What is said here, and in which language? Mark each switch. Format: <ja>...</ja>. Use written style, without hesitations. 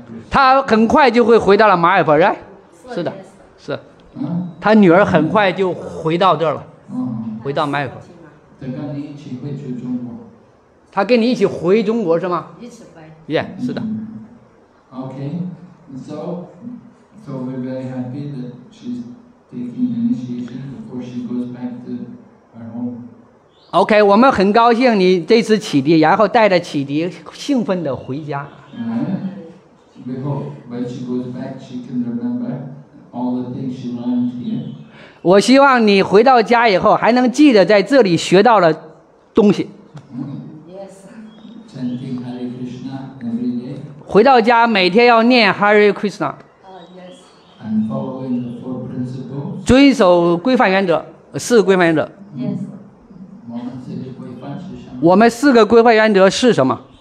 <zh>他很快就会回到了马尔坡， right？是的，是。他女儿很快就回到这儿了，回到马尔坡。他跟你一起回去中国。他跟你一起回中国是吗？一起回。 Yeah，是的。</zh> <en>Okay， so we're very happy that she's taking initiation before she goes back to her home.</en> <zh>Okay， 我们很高兴你这次启迪，然后带着启迪兴奋地回家。</zh> <en>We hope when she goes back, she can remember all the things she learned here.</en> <zh>我希望你回到家以后还能记得在这里学到的东西。</zh> <en>Yes. Chanting Hare Krishna every day.</en> <zh>回到家每天要念 Hare Krishna.</zh> <en>Yes. And following the four principles.</en> <zh>遵守规范原则，四规范原则。</zh> <en>Yes.</en> <zh>我们四个规范是什么？我们四个规范原则是什么？</zh>